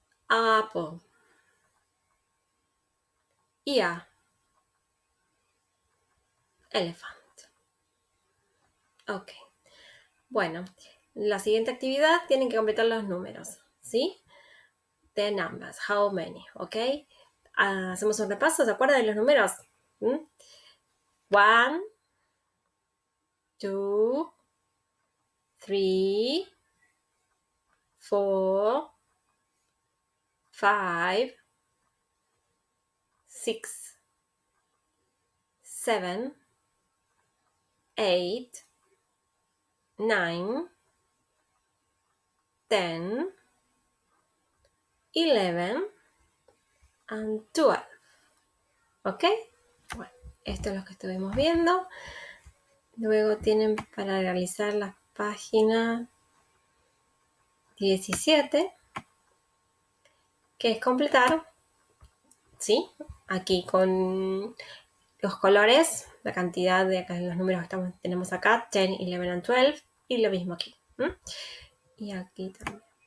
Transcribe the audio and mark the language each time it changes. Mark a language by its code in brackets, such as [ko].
[en] Apple. Ear. Elephant. Okay. [es] Bueno, la siguiente actividad tienen que completar los números, ¿sí? [en] The numbers, how many, okay? [es] Hacemos un repaso, ¿se acuerdan de los números? [en] One, two, three, four, five, six, seven, eight, nine, ten, 11, and 12. Okay. [es] Esto es lo que estuvimos viendo. Luego tienen para realizar la página 17, que es completar, ¿sí? Aquí con los colores, la cantidad de acá, los números que tenemos acá, 10, 11 and 12, y lo mismo aquí. Y aquí también.